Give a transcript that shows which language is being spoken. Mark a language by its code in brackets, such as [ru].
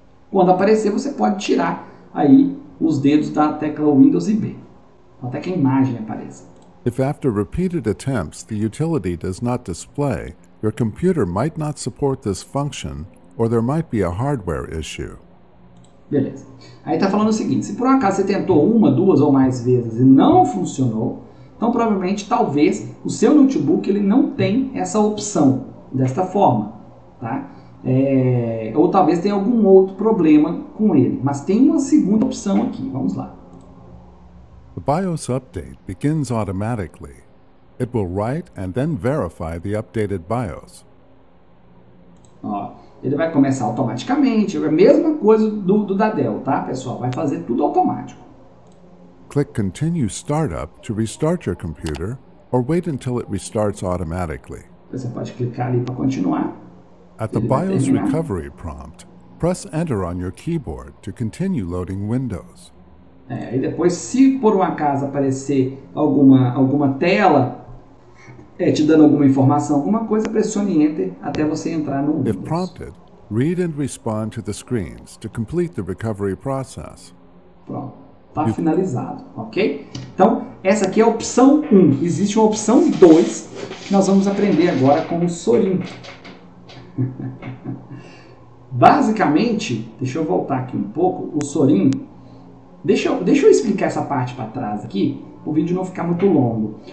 [pt] Quando aparecer, você pode tirar aí os dedos da tecla Windows e B, até que a imagem apareça. [en] If after repeated attempts the utility does not display, your computer might not support this function, or there might be a hardware issue. [pt] Beleza. Aí tá falando o seguinte, se por um acaso você tentou uma, duas ou mais vezes e não funcionou, então, provavelmente, talvez, o seu notebook ele não tem essa opção desta forma, tá? Ou talvez tenha algum outro problema com ele. Mas tem uma segunda opção aqui. Vamos lá. [en] The BIOS update begins automatically. It will write and then verify the updated BIOS. [pt] Ó, ele vai começar automaticamente. É a mesma coisa do da Dell, tá, pessoal? Vai fazer tudo automático. [en] Click Continue Startup to restart your computer or wait until it restarts automatically. [pt] Você pode clicar ali para continuar. [en] At the BIOS recovery prompt, press Enter on your keyboard to continue loading Windows. [pt] E depois, se por um acaso aparecer alguma tela te dando alguma informação, alguma coisa, pressione Enter até você entrar no Windows. [en] If prompted, read and respond to the screens to complete the recovery process. [pt] Pronto. Está finalizado, ok? Então, essa aqui é a opção 1. Existe uma opção 2 que nós vamos aprender agora com o Sorin. Basicamente, deixa eu voltar aqui um pouco, o Sorin, deixa eu explicar essa parte para trás aqui, o vídeo não ficar muito longo.